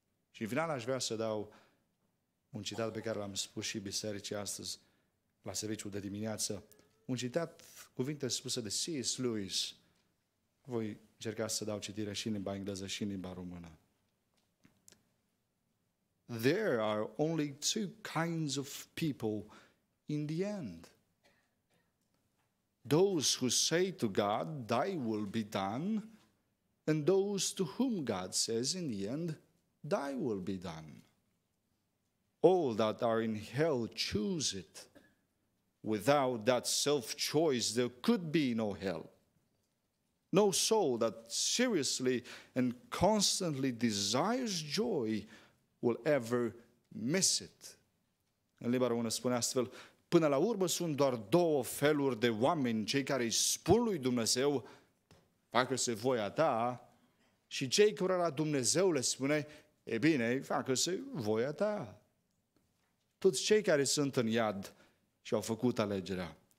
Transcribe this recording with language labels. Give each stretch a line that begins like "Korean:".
Romanian: Și în final aș vrea să dau un citat pe care l-am spus și bisericii astăzi, la serviciul de dimineață, un citat, cuvinte spuse de C.S. Lewis. Voi încerca să dau citire și în limba engleză și în limba română.
English: There are only two kinds of people in the end. Those who say to God, thy will be done, and those to whom God says in the end, thy will be done. All that are in hell choose it. Without that self-choice, there could be no hell. No soul that seriously and constantly desires joy will ever miss it.
Romanian: În limba română spune astfel, până la urmă sunt doar două feluri de oameni, cei care îi spun lui Dumnezeu, facă-se voia ta, și cei care la Dumnezeu le spune, e bine, facă-se voia ta. Toți cei care sunt în iad și au făcut alegerea.